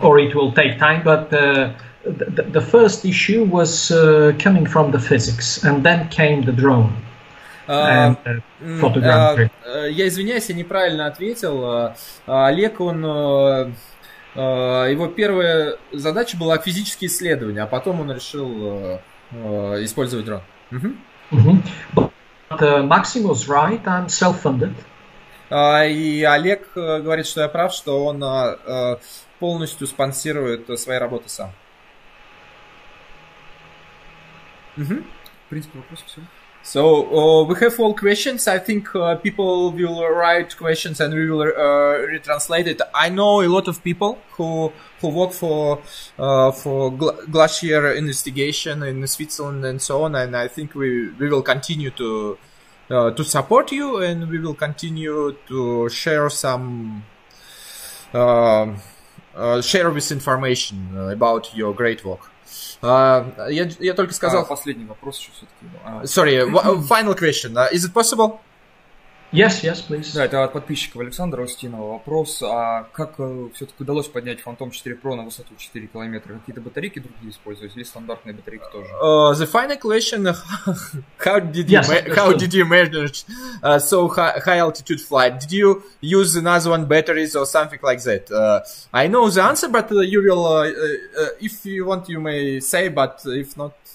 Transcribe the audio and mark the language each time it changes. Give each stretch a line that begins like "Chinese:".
English: Or it will take time, but the first issue was coming from the physics, and then came the drone.
Russian: Я извиняюсь, я неправильно ответил. Олег, он его первая задача была физические исследования, а потом он решил использовать дрон.
English: But Maxim was right, I'm self-funded.
Russian: И Олег говорит, что я прав, что он полностью спонсирует свои работы сам. В принципе, вопрос все.
English: So, we have all questions. I think people will write questions and we will retranslate it. I know a lot of people who work for Glacier Investigation in Switzerland and so on, and I think we will continue to support you, and we will continue to share some share this information about your great work.
Russian: Я только сказал. Последний вопрос еще все-таки.
English: Sorry, final question. Is it possible? Yes, yes, please.
Russian: Да, это от подписчиков Александра Устинова вопрос. А как все-таки удалось поднять Phantom 4 Pro на высоту 4 километра? Какие-то батарейки другие использовать или стандартные батарейки тоже?
English: The final question. How did you manage so high altitude flight? Did you use another one batteries or something like that? I know the answer, but you will, if you want, you may say, but if not...